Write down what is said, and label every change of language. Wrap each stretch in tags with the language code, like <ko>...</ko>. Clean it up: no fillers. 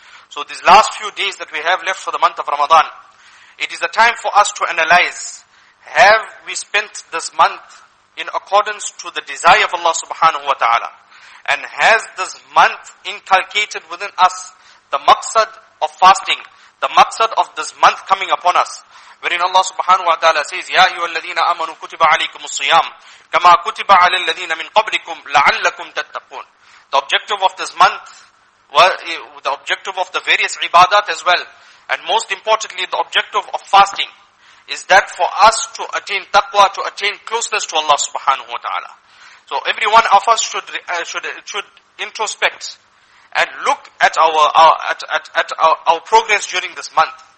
<en>So these last few days that we have left for the month of Ramadan, it is a time for us to analyze, have we spent this month in accordance to the desire of Allah subhanahu wa ta'ala? And has this month inculcated within us the maqsad of fasting, the maqsad of this month coming upon us? Wherein Allah subhanahu wa ta'ala says,</en> <ar>يَا أَيُّهَا الَّذِينَ آمَنُوا كُتِبَ عَلَيْكُمُ الصِّيَامُ كَمَا كُتِبَ عَلَى الَّذِينَ مِنْ قَبْلِكُمْ لَعَلَّكُمْ تَتَّقُونَ.</ar> <en>The objective of this month, the objective of the various ibadat as well, and most importantly the objective of fasting, is that for us to attain taqwa, to attain closeness to Allah subhanahu wa ta'ala. So every one of us should introspect and look at our progress during this month.</en>